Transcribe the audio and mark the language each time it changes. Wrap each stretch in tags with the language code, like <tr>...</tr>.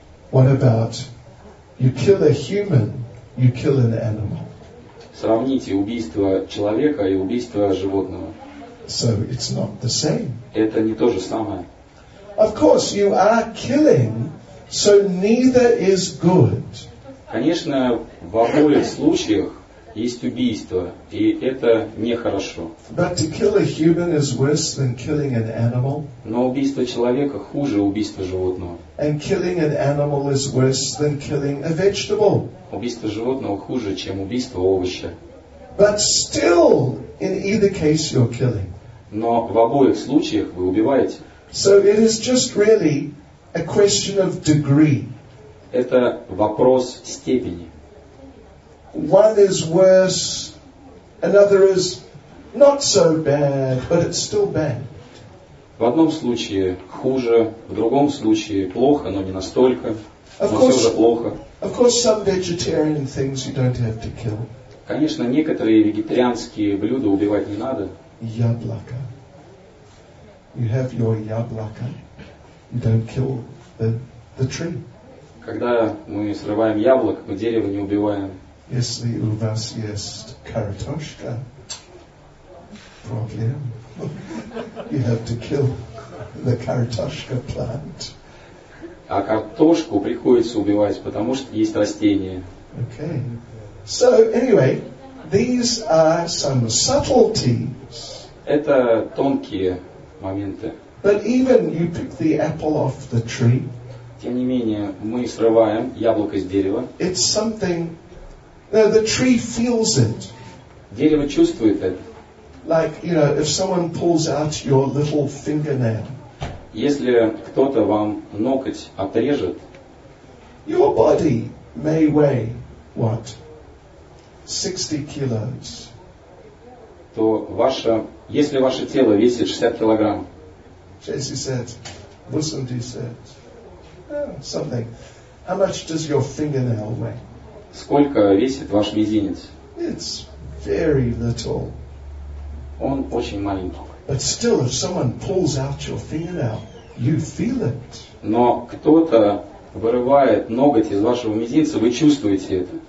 <en>What about you kill a human, you kill an animal?</en> <ru>Сравните убийство человека и убийство животного.</ru> <en>So it's not the same.</en> <ru>Это не то же самое.</ru> <en>Of course, you are killing, so neither is good.</en> <ru>Конечно, в обоих случаях есть убийство, и это нехорошо.</ru> <en>But to kill a human is worse than killing an animal.</en> <ru>Но убийство человека хуже убийства животного.</ru> <en>And killing an animal is worse than killing a vegetable.</en> <ru>Убийство животного хуже, чем убийство овоща.</ru> <en>But still, in either case, you're killing.</en> <ru>Но в обоих случаях вы убиваете.</ru> <en>So it is just really a question of degree.</en> <ru>Это вопрос степени.</ru> <en>One is worse, another is not so bad, but it's still bad.</en> <ru>В одном случае хуже, в другом случае плохо, но не настолько, но все же плохо.</ru> <en>Of course, some vegetarian things you don't have to kill.</en> <ru>Конечно, некоторые вегетарианские блюда убивать не надо.</ru> <en>Яблоко. You have your яблоко. You don't kill the tree.</en> <ru>Когда мы срываем яблоко, мы дерево не убиваем. Если у вас есть картошка, проблем.</ru> <en>You have to kill the картошка plant.</en> <ru>А картошку приходится убивать, потому что есть растения.</ru> <en>Okay. So anyway, these are some subtleties.</en> <ru>Это тонкие моменты.</ru> <en>But even you pick the apple off the tree.</en> <ru>Тем не менее, мы срываем яблоко с дерева.</ru> <en>It's something. No, the tree feels it.</en> <ru>Дерево чувствует это.</ru> <en>Like, you know, if someone pulls out your little fingernail.</en> <ru>Если кто-то вам ноготь отрежет.</ru> <en>Your body may weigh what? 60 kilos.</en> <ru>То ваше, если ваше тело весит 60 килограмм.</ru> <en>Jesse said, Wilson said, something. How much does your fingernail weigh?</en> <ru>Сколько весит ваш мизинец?</ru> <en>It's very little.</en> <ru>Он очень маленький.</ru> <en>But still, if someone pulls out your fingernail, you feel it.</en> <ru>Но кто-то вырывает ноготь из вашего мизинца, вы чувствуете это.</ru>